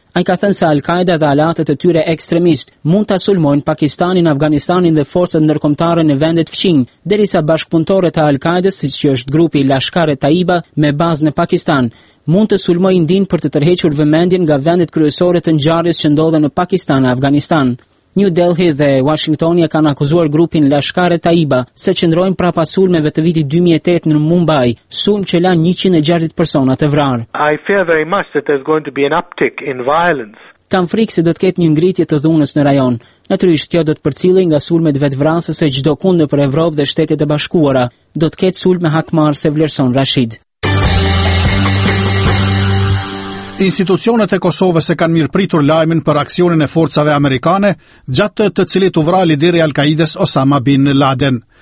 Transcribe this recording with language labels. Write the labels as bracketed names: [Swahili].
[Albanian] Ai ka thënë se Al-Qaida dhe alatët e tyre ekstremist mund ta sulmojnë Pakistanin, Afganistanin dhe forcat ndërkombëtare në vendet fqinj, derisa bashkëpunëtorët e Al-Qaidës, siç është grupi Lashkare Taiba me bazë në Pakistan, mund të sulmojnë Indin për të tërhequr vëmendjen nga vendet kryesore të ngjarjes që ndodhen në Pakistan e Afganistan. New Delhi dhe Washingtonia kanë akuzuar grupin Lashkare Taiba se qëndrojnë prapa sulmeve të vitit 2008 në Mumbai, sulm që lan 160 persona të vrarë. [English] I fear very much that there's going to be an uptick in violence. [Albanian] Kam frikë se do të ketë një ngritje të dhunës në rajon. Natyrisht kjo do të përcillej nga sulmet vetvrasëse çdo kund nëpër Evropë dhe Shtetet e Bashkuara. Do të ketë sulme hatmarrëse, vlerëson Rashid. Institucionet e Kosovës e kanë mirëpritur lajmin për aksionin e forcave amerikane, gjatë të cilit u vra lideri Al-Qaidës Osama Bin Laden.